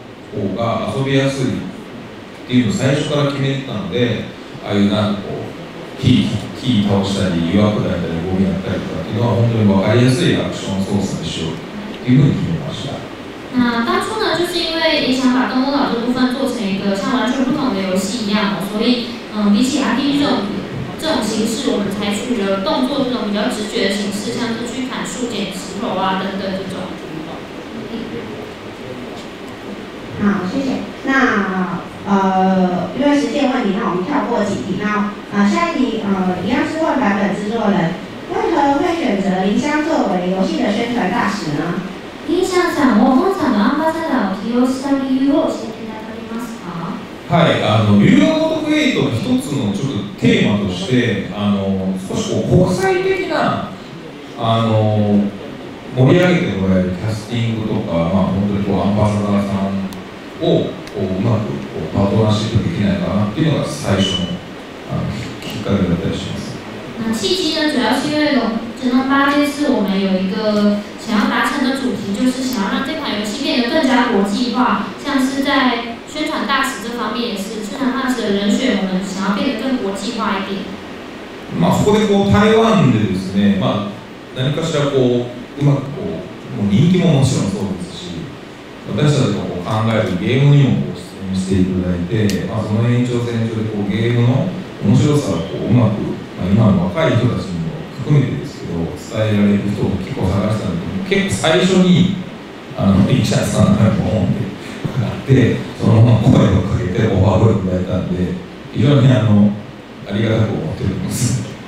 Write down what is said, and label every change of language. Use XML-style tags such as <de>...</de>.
<ja>こうが遊びやすいっていうのを最初から決めてたので、ああいうなんかこう火倒したり岩砕いたりゴミやったりとかっていうのは本当に分かりやすいアクション操作にしようっていうふうに決めました。</ja> <zh>那当初呢，就是因为也想把东东岛这部分做成一个像完全不同的游戏一样，所以比起 RPG 这种形式，我们采取了动作这种比较直觉的形式，像是去砍树、捡石头啊等等这种。好，谢谢。那因为时间问题，那我们跳过几题。那下一题一样是问版本制作人，为何会选择林香作为游戏的宣传大使呢？</zh> <ja>林香さん、我本作のアンバサダーを起用した理由を教えていただけますか？はい、ユーロゴトクエイトの一つのちょっとテーマとして、少しこう国際的な盛り上げてもらえるキャスティングとか、まあ本当にこうアンバサダーさんをこううまくこうパートナーシップできないかなっていうのが最初のきっかけだったりします。</ja> <zh>那契机呢，主要是因为龙珍八这次我们有一个想要达成的主题，就是想要让这款游戏变得更加国际化，像是在宣传大使这方面也是，宣传大使的人选我们想要变得更国际化一点。</zh> <ja>まあここでこう台湾でですね、まあ何かしらこううまくこうもう人気ももちろんそうですし、私たちが考えるゲームにも出演していただいて、まあ、その延長線上でこうゲームの面白さをこううまく、まあ、今の若い人たちにも含めてですけど伝えられる人を結構探したんで、結構最初にあのリチャーさんがボーンってなってそのまま声をかけてオファーをいただいたんで非常にあのありがたく思っております。</ja>